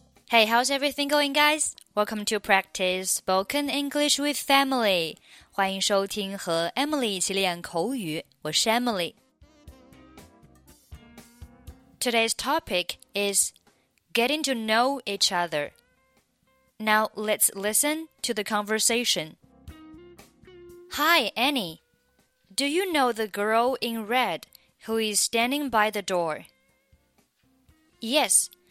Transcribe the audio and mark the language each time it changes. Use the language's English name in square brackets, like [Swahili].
[English] Hey, how's everything going, guys? Welcome to practice spoken English with Emily. [Chinese] 欢迎收听和 Emily 一起练口语。我是 Emily. [English] Today's topic is getting to know each other. Now, let's listen to the conversation. Hi, Annie. Do you know the girl in red who is standing by the door? Yes.